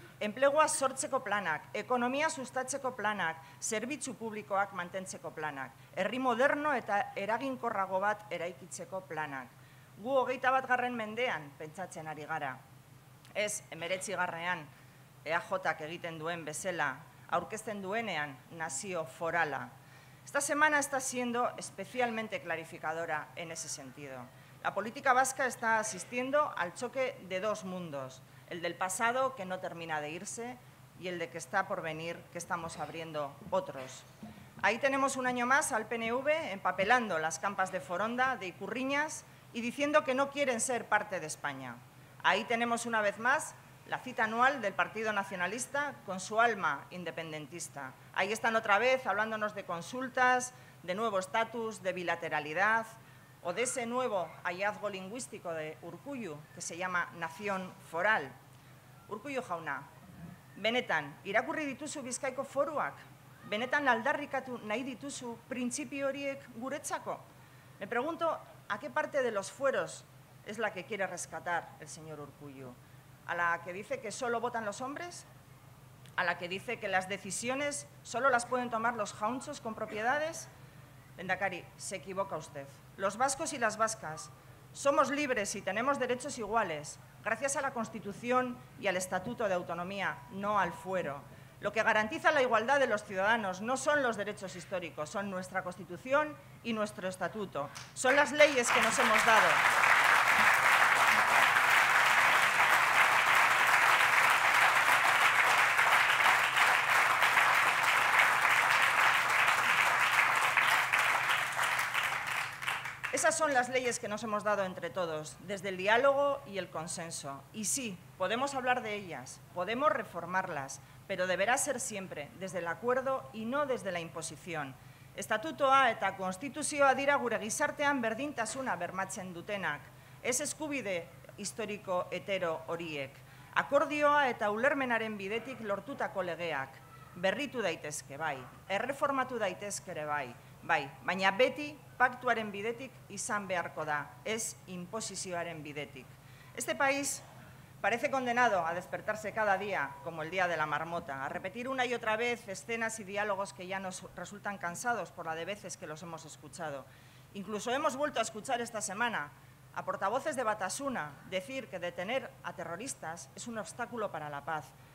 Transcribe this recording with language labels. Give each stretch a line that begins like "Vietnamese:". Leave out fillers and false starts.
Basque: Enplegua sortzeko planak, ekonomia sustatzeko planak, zerbitzu publikoak mantentzeko planak. Herri moderno eta eraginkorrago bat eraikitzeko planak. Gu 21. Mendean pentsatzen ari gara. Ez 19. EAJ-ak egiten duen bezala, aurkezten duenean nazio forala.
Spanish: Esta semana está siendo especialmente clarificadora en ese sentido. La política vasca está asistiendo al choque de dos mundos, el del pasado, que no termina de irse, y el de que está por venir, que estamos abriendo otros. Ahí tenemos un año más al PNV empapelando las campas de Foronda, de Ikurriñas, y diciendo que no quieren ser parte de España. Ahí tenemos una vez más la cita anual del Partido Nacionalista con su alma independentista. Ahí están otra vez hablándonos de consultas, de nuevo estatus, de bilateralidad o de ese nuevo hallazgo lingüístico de Urkullu que se llama Nación Foral.
Basque: Urkullu jauna, benetan, irakurri dituzu Bizkaiko foruak? Benetan aldarrikatu nahi dituzu printzipio horiek guretzako?
Spanish: Me pregunto, ¿a qué parte de los fueros es la que quiere rescatar el señor Urkullu? ¿A la que dice que solo votan los hombres? ¿A la que dice que las decisiones solo las pueden tomar los jaunchos con propiedades? Lehendakari, se equivoca usted. Los vascos y las vascas somos libres y tenemos derechos iguales gracias a la Constitución y al Estatuto de Autonomía, no al fuero. Lo que garantiza la igualdad de los ciudadanos no son los derechos históricos, son nuestra Constitución y nuestro Estatuto. Son las leyes que nos hemos dado. Esas son las leyes que nos hemos dado entre todos, desde el diálogo y el consenso. Y sí, podemos hablar de ellas, podemos reformarlas, pero deberá ser siempre desde el acuerdo y no desde la imposición.
Basque: Estatutoa eta konstituzioa dira gure gizartean berdintasuna bermatzen dutenak. Ez eskubide historiko hetero horiek. Akordioa eta ulermenaren bidetik lortutako legeak. Berritu daitezke, bai. Erreformatu daitezkere, bai. Bai, baina beti paktuaren bidetik izan beharko da, ez imposizioaren bidetik.
Spanish: Este país parece condenado a despertarse cada día como el día de la marmota, a repetir una y otra vez escenas y diálogos que ya nos resultan cansados por la de veces que los hemos escuchado. Incluso hemos vuelto a escuchar esta semana a portavoces de Batasuna decir que detener a terroristas es un obstáculo para la paz.